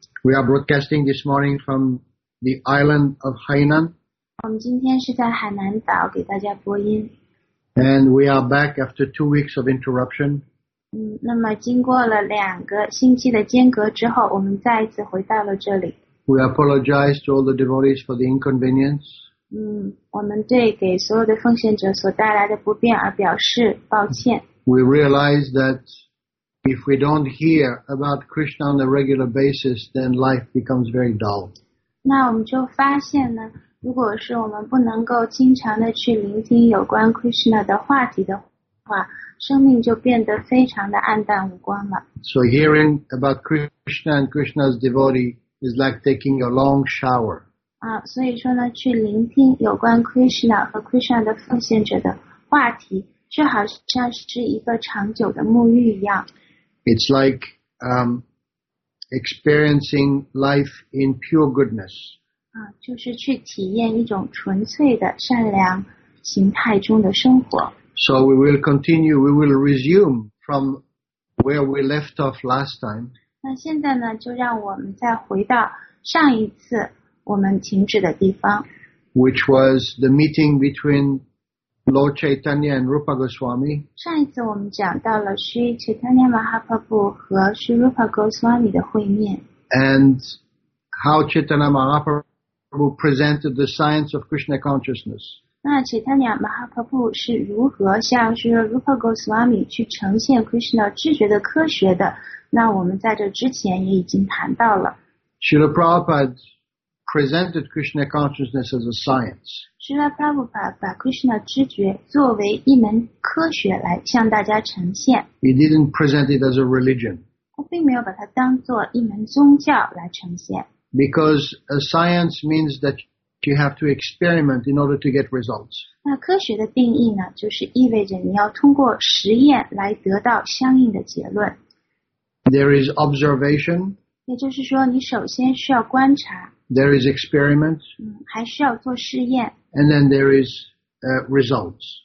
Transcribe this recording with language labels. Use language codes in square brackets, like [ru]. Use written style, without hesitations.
[en] We are broadcasting this morning from the island of Hainan. [zh] 我们今天是在海南岛给大家播音。 [en] And we are back after 2 weeks of interruption. [zh] 那么经过了两个星期的间隔之后，我们再一次回到了这里。 [en] We apologize to all the devotees for the inconvenience. [zh] 我们对给所有的奉献者所带来的不便而表示抱歉。 [en] We realize that if we don't hear about Krishna on a regular basis, then life becomes very dull. [zh] 那我们就发现呢，如果是我们不能够经常的去聆听有关 Krishna 的话题的话，生命就变得非常的暗淡无光了。 [en] So hearing about Krishna and Krishna's devotee is like taking a long shower. [zh] 所以说呢，去聆听有关 Krishna 和 Krishna 的奉献者的话题，就好像是一个长久的沐浴一样。 [en] It's like, experiencing life in pure goodness. [zh] 就是去体验一种纯粹的善良形态中的生活。 [en] So we will continue, we will resume from where we left off last time. [zh] 那现在呢，就让我们再回到上一次我们停止的地方。 [en] Which was the meeting between Lord Chaitanya and Rupa Goswami. [zh] 上一次我们讲到了 Sri Chaitanya Mahaprabhu 和 Sri Rupa Goswami 的会面。 [en] And how Chaitanya Mahaprabhu presented the science of Krishna consciousness. [zh] 那 Chaitanya Mahaprabhu 是如何向 Sri Rupa Goswami 去呈现 Krishna 知觉的科学的？那我们在这之前也已经谈到了。 [en] Sri Prabhupada presented Krishna consciousness as a science. [zh] Srila Prabhupada 把 Krishna 知觉作为一门科学来向大家呈现。 [en] He didn't present it as a religion. [zh] 他并没有把它当作一门宗教来呈现。 [en] Because a science means that you have to experiment in order to get results. [zh] 那科学的定义呢，就是意味着你要通过实验来得到相应的结论。 [en] There is observation. [zh] 也就是说，你首先需要观察。 [en] There is experiment, [zh] 还需要做试验。 [en] And then there is results.